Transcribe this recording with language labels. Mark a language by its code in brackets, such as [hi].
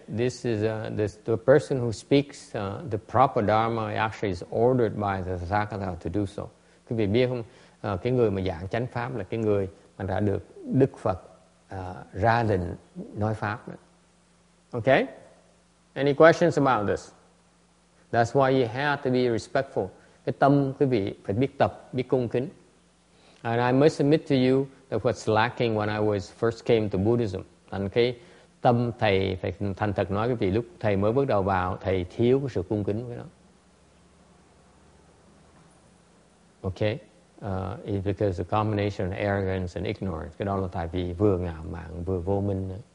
[en] This is the person who speaks the proper Dharma actually is ordered by the Tathagata to do so. [vi] Quý vị biết không? Cái người mà giảng chánh pháp là cái người mà đã được Đức Phật ra lệnh nói pháp. Okay. [en] Any questions about this? That's why you have to be respectful. [vi] Cái tâm quý vị phải biết tập, biết cung kính. [en] And I must admit to you that what's lacking when I was first came to Buddhism. [vi] And cái tâm thầy phải thành thật nói quý vị, lúc thầy mới bước đầu vào, thầy thiếu cái sự cung kính với nó. [en] Okay? It's because the combination of arrogance and ignorance. [vi] Cái đó là tại vì vừa ngạo mạn vừa vô minh.